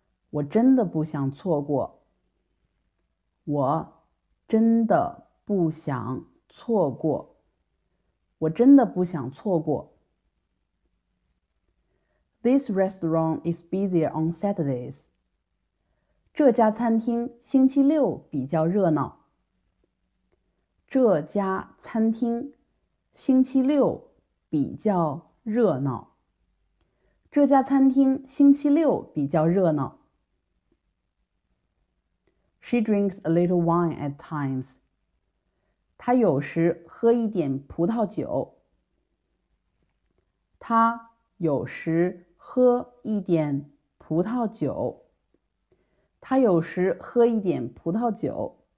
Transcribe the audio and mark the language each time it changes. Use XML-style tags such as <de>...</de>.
<zh>我真的不想错过。我真的不想。错过，我真的不想错过。</zh> <en>This restaurant is busier on Saturdays。</en> <zh>这家餐厅星期六比较热闹。这家餐厅星期六比较热闹。这家餐厅星期六比较热闹。</zh> <en>She drinks a little wine at times。</en> <zh>他有时喝一点葡萄酒。他有时喝一点葡萄酒。他有时喝一点葡萄酒。</zh>